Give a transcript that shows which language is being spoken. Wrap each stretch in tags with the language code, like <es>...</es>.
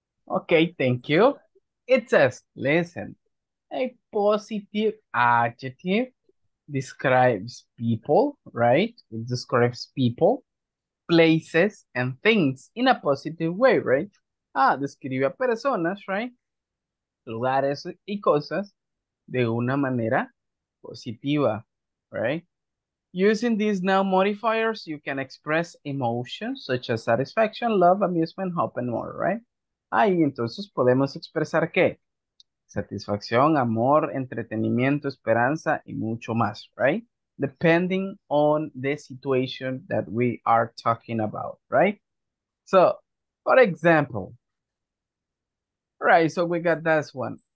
<en>Okay, thank you. It says, listen, a positive adjective describes people, right? It describes people, places, and things in a positive way, right?</en> <es>Ah, describe a personas, right? Lugares y cosas de una manera positiva, right?</es> <en>Using these noun modifiers, you can express emotions such as satisfaction, love, amusement, hope, and more, right?</en> <es>Ahí entonces podemos expresar qué? Satisfacción, amor, entretenimiento, esperanza y mucho más, right?</es> <en>Depending on the situation that we are talking about, right? So, for example, right, so we got this one.</en>